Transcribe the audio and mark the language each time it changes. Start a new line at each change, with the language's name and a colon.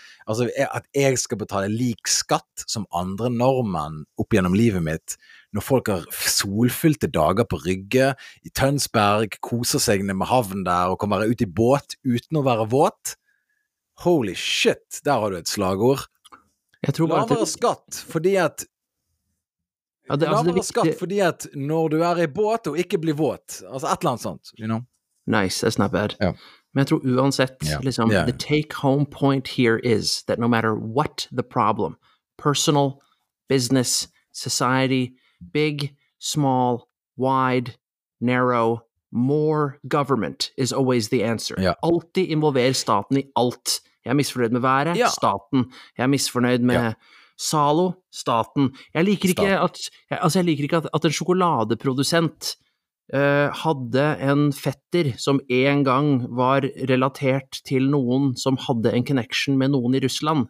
Norwegian: Altså at jeg skal betale lik skatt som andre nordmenn opp gjennom livet mitt, når folk har solfyllte dager på Rygge, i Tønsberg, koser seg ned med havn der, og kan være ute i båt uten å være våt.
English: Holy shit,
Norwegian: der har du et slagord. Jeg tror bare lavere skatt, fordi at ja, det, altså, lavere skatt fordi at når du i båt og ikke blir våt, altså et eller annet sånt,
English: you know? Nice, that's not bad. Yeah.
Norwegian: Men jeg tror uansett,
English: yeah, liksom, yeah, the take-home point here is that no matter what the problem, personal, business, society, big, small, wide, narrow, more government is always the answer. Yeah.
Norwegian: Altid involver staten i alt. Jeg misfornøyd med været, yeah, staten. Jeg misfornøyd med... Yeah. Salo, staten. Jeg liker ikke at en sjokoladeprodusent hadde en fetter som en gang var relatert til noen som hadde en connection med noen i Russland.